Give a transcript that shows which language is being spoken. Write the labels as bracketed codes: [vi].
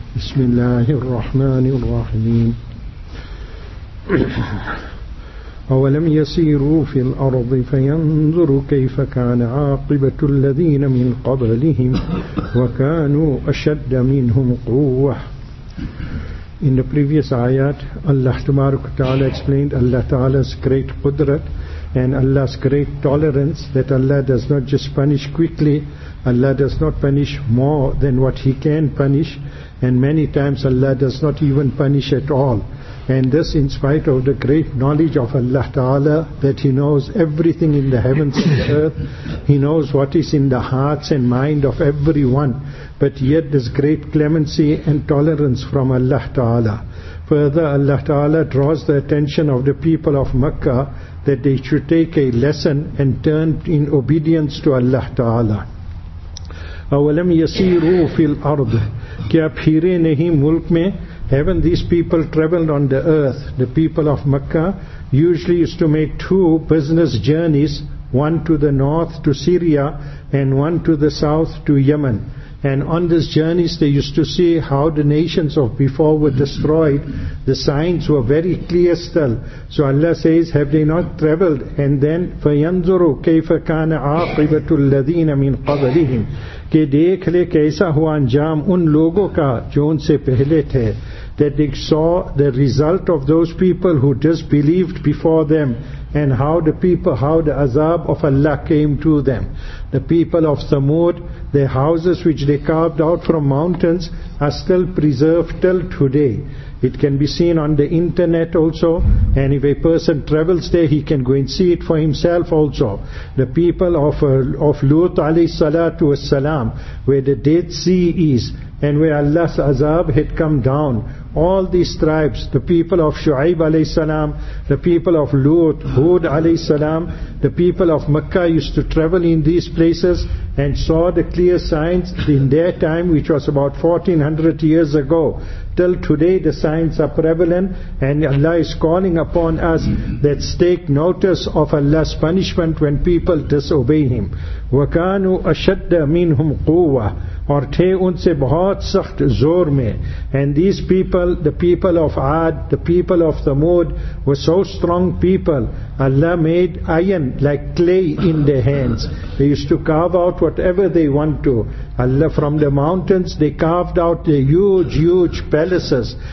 [ar] بسم الله الرحمن الرحيم. أولم يسيروا في الأرض فينظروا كيف كان عاقبة الذين من قبلهم وكانوا أشد منهم قوة. [en] In the previous ayat, Allah Ta'ala explained Allah Ta'ala's great qudrat and Allah's great tolerance, that Allah does not just punish quickly, Allah does not punish more than what He can punish, and many times Allah does not even punish at all. And this in spite of the great knowledge of Allah Ta'ala, that He knows everything in the heavens and earth. He knows what is in the hearts and mind of everyone. But yet this great clemency and tolerance from Allah Ta'ala. Further, Allah Ta'ala draws the attention of the people of Makkah that they should take a lesson and turn in obedience to Allah Ta'ala. [ar] أَوَلَمْ يَسِيرُوا فِي الْأَرْضِ [ur] كَيَا پھیرے نہیں ملک میں. [en] Haven't these people traveled on the earth? The people of Makkah usually used to make two business journeys, one to the north to Syria and one to the south to Yemen. And on these journeys they used to see how the nations of before were destroyed. The signs were very clear still. So Allah says, have they not traveled? [ur] And then, [ar] فَيَنْظُرُوا كَيْفَ كَانَ عَاقِبَةُ الَّذِينَ مِنْ قَبْلِهِمْ [ur] کہ دیکھ لے کیسا ہوا انجام ان لوگوں کا جو ان سے پہلے تھے. [en] That they saw the result of those people who disbelieved before them, and how the people, how the azab of Allah came to them. The people of Thamud, their houses which they carved out from mountains are still preserved till today. It can be seen on the internet also, and if a person travels there, he can go and see it for himself also. The people of Lut alayhi salatu wassalam, where the Dead Sea is, and where Allah's azab had come down. All these tribes, the people of Shu'aib alayhi salam, the people of Lut, Hud alayhi salam, the people of Makkah used to travel in these places and saw the clear signs in their time, which was about 1400 years ago. Till today the signs are prevalent, and Allah is calling upon us that take notice of Allah's punishment when people disobey Him. [ar] وَكَانُوا أَشَدَّ مِنْهُمْ قُوَّةً [ur] اور تھے ان سے بہت سخت زور میں. [en] And these people, the people of Ad, the people of Thamud, were so strong people. Allah made iron like clay in their hands. They used to carve out whatever they want to. Allah, from the mountains, they carved out the huge, huge palaces.